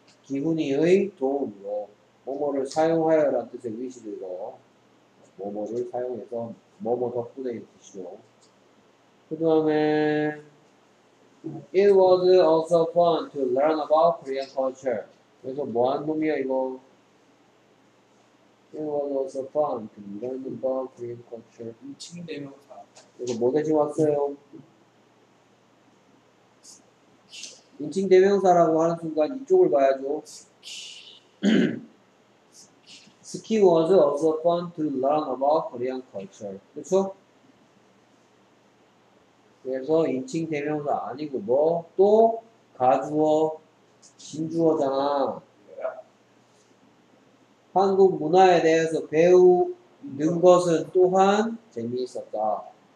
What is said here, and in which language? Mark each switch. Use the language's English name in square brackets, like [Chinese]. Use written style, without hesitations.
[Korean] 기훈이의 도움으로. 뭐뭐를 사용하여 라는 뜻의 위시들로. 뭐뭐를 사용해서 뭐뭐 덕분에 이르시죠. 그 다음에 [English] It was also fun to learn about Korean culture. [Korean] 그래서 뭐한 놈이야 이거? [English] It was also fun to learn about Korean culture. [Korean] 이거 뭐 대신 왔어요? 인칭 대명사라고 하는 순간 이쪽을 봐야죠. [English] Ski was also fun to learn about Korean culture. [Korean] 그렇죠? 그래서 인칭 대명사 아니고 뭐 또 가주어 진주어잖아. 한국 문화에 대해서 배우는 것은 또한 재미있었다.